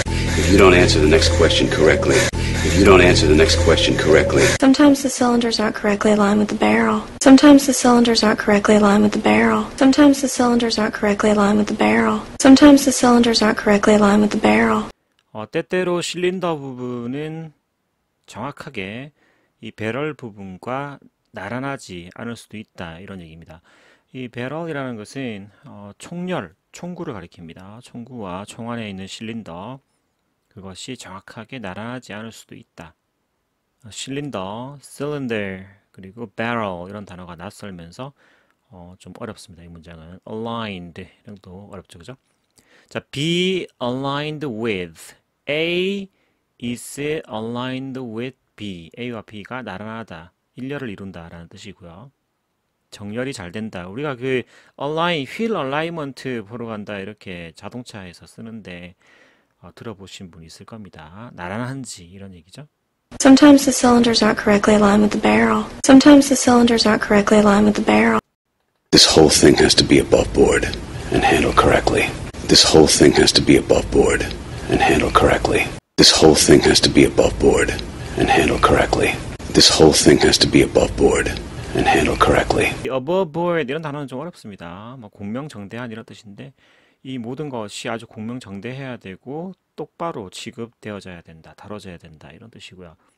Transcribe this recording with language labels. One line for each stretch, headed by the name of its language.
English: If you don't answer the next question correctly. If you don't answer the next question correctly. Sometimes the cylinders aren't correctly aligned with the barrel. Sometimes the cylinders aren't correctly aligned with the barrel. Sometimes the cylinders aren't correctly aligned with the barrel. Sometimes the cylinders aren't correctly aligned with the barrel.
Korean: 때때로 실린더 부분은 정확하게 이 배럴 부분과 나란하지 않을 수도 있다. 이런 얘기입니다. 이 배럴이라는 것은 총열, 총구를 가리킵니다. 총구와 총 안에 있는 실린더 그것이 정확하게 나란하지 않을 수도 있다. 실린더, 실린더, 그리고 barrel 이런 단어가 낯설면서 좀 어렵습니다. 이 문장은 aligned 이런도 어렵죠, 그죠?
English: 자, be aligned with A is aligned with B.
Korean: A와 B가 나란하다, 일렬을 이룬다라는 뜻이고요. 정렬이 잘 된다. 우리가 그 align, wheel alignment 보러 간다 이렇게 자동차에서 쓰는데. 들어보신 분 있을 겁니다. 나란한지 이런 얘기죠.
English: Sometimes the cylinders aren't correctly aligned with the barrel. Sometimes the cylinders aren't correctly aligned with the barrel. This whole thing has to be above board and handled correctly. This whole thing has to be above board and handled correctly. This whole thing has to be above board and handled correctly. This whole thing has to be above board and handled correctly.
Korean: Above board 이런 단어는 좀 어렵습니다. 뭐 공명정대한 이런 뜻인데 이 모든 것이 아주 공명정대해야 되고 똑바로 지급되어져야 된다, 다뤄져야 된다 이런 뜻이고요.